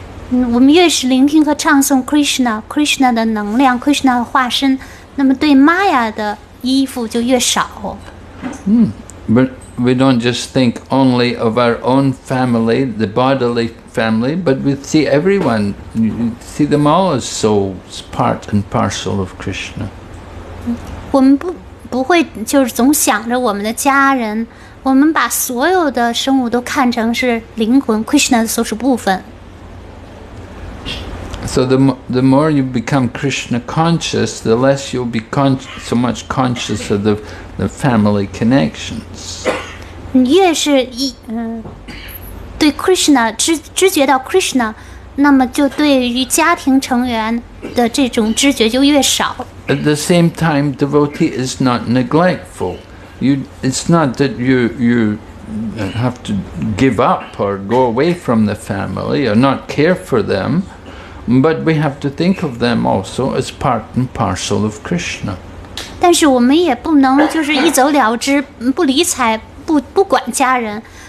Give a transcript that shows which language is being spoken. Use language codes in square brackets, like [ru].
[zh] 我们越是聆听和唱诵 Krishna， Krishna 的能量， Krishna 的化身，那么对 Maya 的依附就越少。 [en] But we don't just think only of our own family, the bodily family, but we see everyone, we see them all as souls, part and parcel of Krishna. [zh] 我们不会就是总想着我们的家人, 我们把所有的生物都看成是灵魂, Krishna的所属部分。 [en] So the more you become Krishna conscious, the less you'll be so much conscious of the family connections. [zh] 你越是对 Krishna 知觉到 Krishna, 那么就对于家庭成员的这种知觉就越少。 [en] At the same time, devotee is not neglectful. It's not that you have to give up or go away from the family or not care for them. But we have to think of them also as part and parcel of Krishna. [zh] 但是我们也不能就是一走了之，不理睬，不管家人。